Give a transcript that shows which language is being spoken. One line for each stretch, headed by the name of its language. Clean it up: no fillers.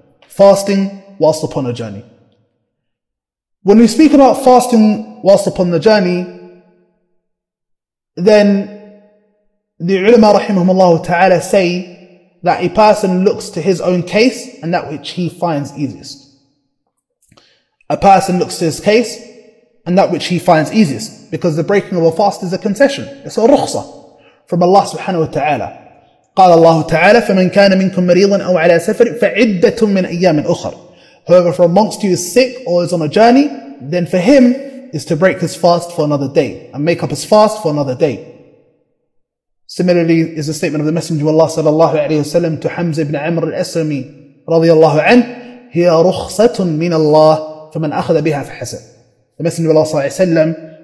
English: Fasting whilst upon a journey. When we speak about fasting whilst upon the journey, then the ulama rahimahumullah ta'ala say that a person looks to his own case and that which he finds easiest. A person looks to his case and that which he finds easiest, because the breaking of a fast is a concession. It's a rukhsa from Allah subhanahu wa ta'ala.
Arabic: قال الله تعالى فمن كان منكم مريضا أو على سفر فعدة من أيام أخر.
English: Whoever from amongst you is sick or is on a journey, then for him is to break his fast for another day and make up his fast for another day. Similarly is the statement of the Messenger of Allah sallallahu alayhi wa sallam to Hamza ibn Amr al-Aslami radiallahu anhu,
Arabic: هي رخصة من الله فمن أخذ بها فحسن.
English: The Messenger of Allah sallallahu alayhi wa sallam